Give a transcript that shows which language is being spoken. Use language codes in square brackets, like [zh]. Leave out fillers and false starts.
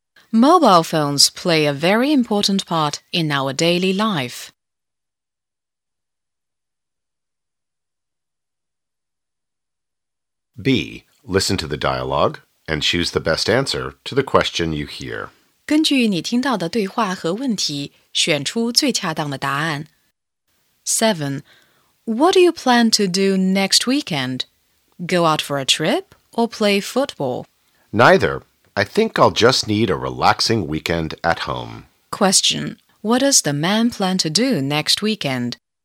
[en] Mobile phones play a very important part in our daily life. 7. Listen to the dialogue and choose the best answer to the question you hear. [zh] 根据你听到的对话和问题，选出最恰当的答案。 [en] 7. What do you plan to do next weekend? Go out for a trip or play football? Neither. I think I'll just need a relaxing weekend at home. Question. What does the man plan to do next weekend?